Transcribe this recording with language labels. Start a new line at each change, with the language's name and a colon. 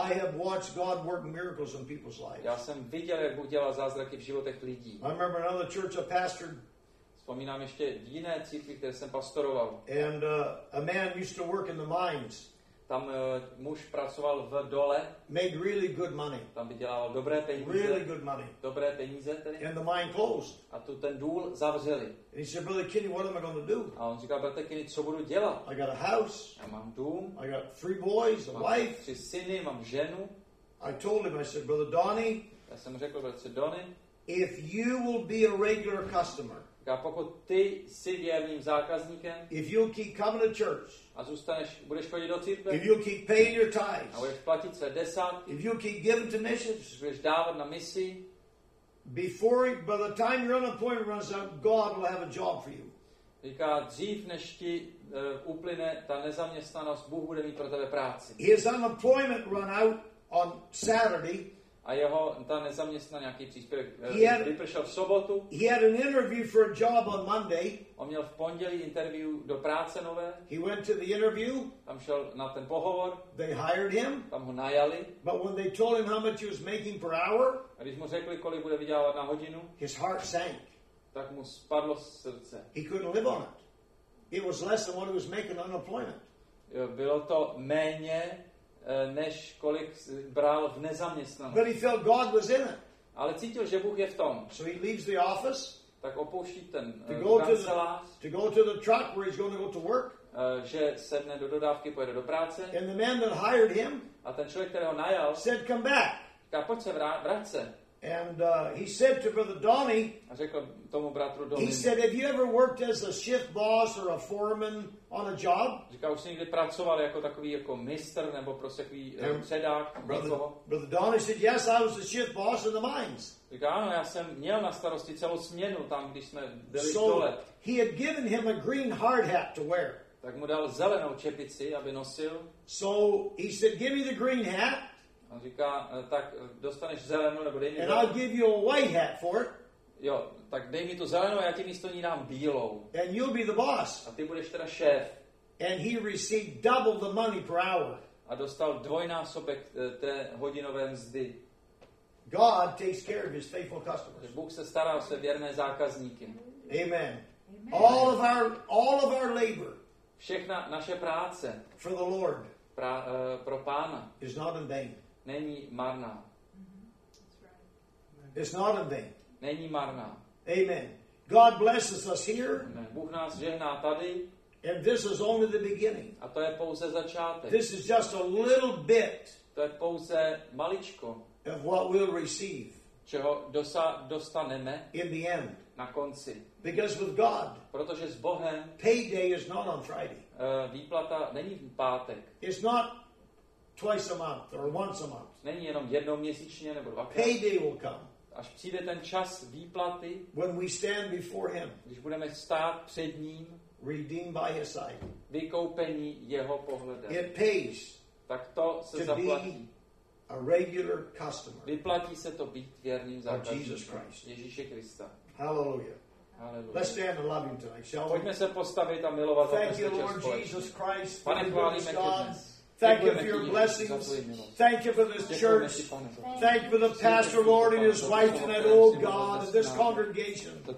English: I have watched God work miracles in people's lives.
Czech: Já jsem viděl, jak Bůh dělá zázraky v životech lidí.
English: I remember another church I pastored.
Czech: Vzpomínám ještě jiné církvi, které jsem pastoroval.
English: And a man used to work in the mines.
Czech: Tam muž pracoval v dole.
English: Made really good money.
Czech: Tam vydělával dobré peníze.
English: Really good money.
Czech: Dobré peníze tedy.
English: And the mine closed.
Czech: A tu ten důl zavřeli.
English: And he said, "Brother Kenny, what am I going to do?"
Czech: A on říkal, bratr Kenny, co budu dělat?
English: I got a house.
Czech: Já mám dům.
English: I got three boys, a wife.
Czech: Tři syny, mám ženu.
English: I told him, I said, "Brother Donnie."
Czech: Já jsem řekl, bratře Donnie.
English: If you will be a regular customer.
Czech: A pokud ty jsi věrným zákazníkem.
English: If you'll keep coming to church.
Czech: A zůstaneš, budeš chodit do církve.
English: If you keep paying your tithes.
Czech: A budeš platit své desátky.
English: If you keep giving to missions.
Czech: Budeš dávat na misi.
English: Before, by the time your unemployment runs out, God will have a job for you.
Czech: Říká, dřív než ti uplyne ta nezaměstnanost, Bůh bude mít pro tebe práci.
English: His unemployment run out on Saturday.
Czech: A jeho ta nezaměstnaný nějaký příspěvek vypršel v sobotu.
English: He had an interview for a job on Monday.
Czech: On měl v pondělí interview do práce nové.
English: He went to the interview.
Czech: Tam šel na ten pohovor.
English: They hired him.
Czech: Tam ho najali.
English: But when they told him how much he was making per hour,
Czech: a když mu řekli, kolik bude vydělávat na hodinu,
English: his heart sank.
Czech: Tak mu spadlo srdce.
English: He couldn't live on it. It was less than what he was making on unemployment.
Czech: Bylo to méně, než kolik bral v nezaměstnanosti.
English: But he felt God was in it.
Czech: Ale cítil, že Bůh je v tom.
English: So he leaves the office.
Czech: Tak opouští ten kancelář. Že sedne do dodávky, pojede do práce.
English: And the man that hired him,
Czech: a ten člověk, který ho najal,
English: said, "Come back."
Czech: Říká, pojď se vrát se.
English: And he said to brother Donnie,
Czech: a řekl tomu bratru Donnie,
English: he said, "Have you ever worked as a shift boss or a foreman on a job?"
Czech: Říká, už jsi někdy pracoval jako takový jako mistr nebo prostě takový předák někoho?
English: Brother Donnie said, "Yes, I was a shift boss in the mines."
Czech: Říká, ano, já jsem měl na starosti celou směnu tam, když jsme byli v dole.
English: He had given him a green hard hat to wear.
Czech: Tak mu dal zelenou čepici, aby nosil.
English: So he said, give me the green hat.
Czech: On říká, tak dostaneš zelenou, nebo dej mi.
English: And I'll give you a white hat for it.
Czech: Jo, tak dej mi tu zelenou, já ti místo ní dám bílou.
English: And you'll be the boss.
Czech: A ty budeš teda šéf.
English: And he received double the money per hour.
Czech: A dostal dvojnásobek té hodinové mzdy.
English: God takes care of his faithful customers.
Czech: Bůh se stará o své věrné zákazníky.
English: Amen. All of our labor.
Czech: Všechna naše práce.
English: For the Lord.
Czech: Pro Pána.
English: Is not in vain.
Czech: Není marná.
English: It's not in vain.
Czech: Není marná.
English: Amen. God blesses us here.
Czech: Bůh nás žehná tady.
English: And this is only the beginning.
Czech: A to je pouze začátek.
English: This is just a little bit.
Czech: To je pouze maličko.
English: Of what we'll receive.
Czech: Čeho dostaneme.
English: In the end.
Czech: Na konci.
English: Because with God.
Czech: Protože s Bohem.
English: Payday is not on Friday.
Czech: Výplata není v pátek.
English: It's not twice a month or once a month.
Czech: Není jenom jednou měsíčně nebo dvakrát.
English: Payday will come.
Czech: Až přijde ten čas výplaty.
English: When we stand before him.
Czech: Když budeme stát před ním.
English: Redeemed by his sight.
Czech: Vykoupení jeho pohledem.
English: It pays.
Czech: Tak to se zaplatí.
English: A regular customer.
Czech: Vyplatí se to být věrným zákazníkem.
English: Jesus Christ.
Czech: Ježíše Krista.
English: Hallelujah. Hallelujah. Let's stand and love him tonight, shall we?
Czech: Pojďme se postavit a milovat.
English: Thank you, Lord Jesus Christ.
Czech: Pane, chválíme tě.
English: Thank you for your blessings. Thank you for this church. Thank you for the pastor, Lord, and his wife tonight, oh God, and this congregation.